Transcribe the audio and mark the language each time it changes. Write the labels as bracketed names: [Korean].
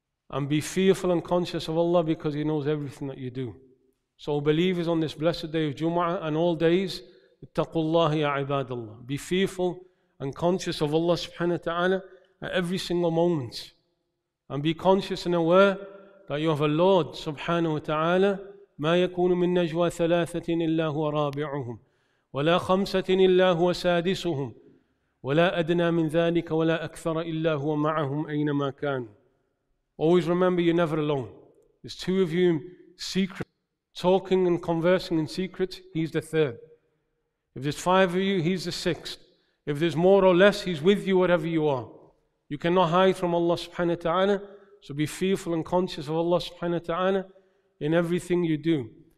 [English] And be fearful and conscious of Allah because He knows everything that you do. So believers on this blessed day of Jumu'ah and all days, [Arabic] اتقوا الله يا عباد الله. [English] Be fearful and conscious of Allah subhanahu wa ta'ala at every single moment. And be conscious and aware that you have a Lord subhanahu wa ta'ala. [Arabic] ما يكون من نجوى ثلاثة إلا هو رابعهم ولا خمسة إلا هو سادسهم ولا أدنى من ذلك ولا أكثر إلا هو معهم أينما كان. [English] Always remember, you're never alone. There's two of you in secret, talking and conversing in secret, he's the third. If there's five of you, he's the sixth. If there's more or less, he's with you wherever you are. You cannot hide from Allah subhanahu wa ta'ala. So be fearful and conscious of Allah subhanahu wa ta'ala in everything you do.